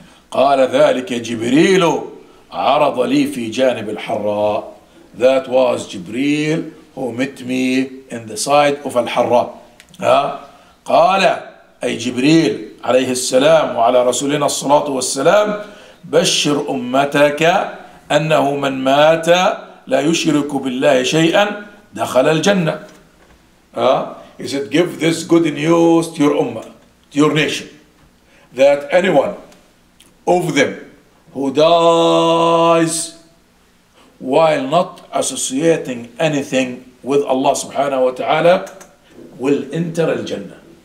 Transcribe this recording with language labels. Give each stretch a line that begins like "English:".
Arabic: قال ذلك جبريل عرض لي في جانب الحراء.
English: That was Jibreel who met me in the side of الحراء.
Arabic: قال أي جبريل عليه السلام وعلى رسولنا الصلاة والسلام, بشر أمتك أنه من مات لا يشرك بالله شيئا دخل الجنة.
English: He said, give this good news to your ummah, to your nation, that anyone of them who dies while not associating anything with Allah subhanahu wa ta'ala will enter al-Jannah.